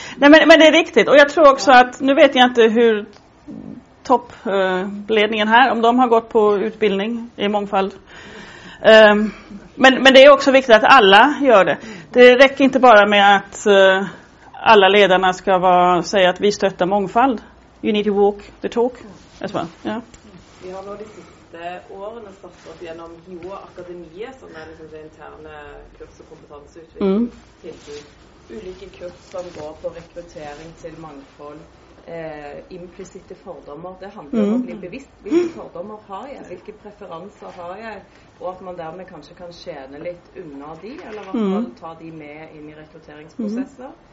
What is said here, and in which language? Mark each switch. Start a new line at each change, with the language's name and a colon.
Swedish: Nej, men det är riktigt, och jag tror också att, nu vet jag inte hur toppledningen här, om de har gått på utbildning i mångfald. Men det är också viktigt att alla gör det. Det räcker inte bara med att alla ledarna ska säga att vi stöttar mångfald.
English: You need to walk the talk as well.
Norwegian: Vi har nå de siste årene startet gjennom HIO-akademiet, som er liksom det interne kurs- og kompetanseutvikling, til ulike kurs som går på rekruttering til mangfold, implicite fordommer. Det handler om å bli bevisst hvilke fordommer har jeg, hvilke preferanser har jeg, og at man dermed kanskje kan tjene litt unna de, eller i hvert fall ta de med inn i rekrutteringsprosesser.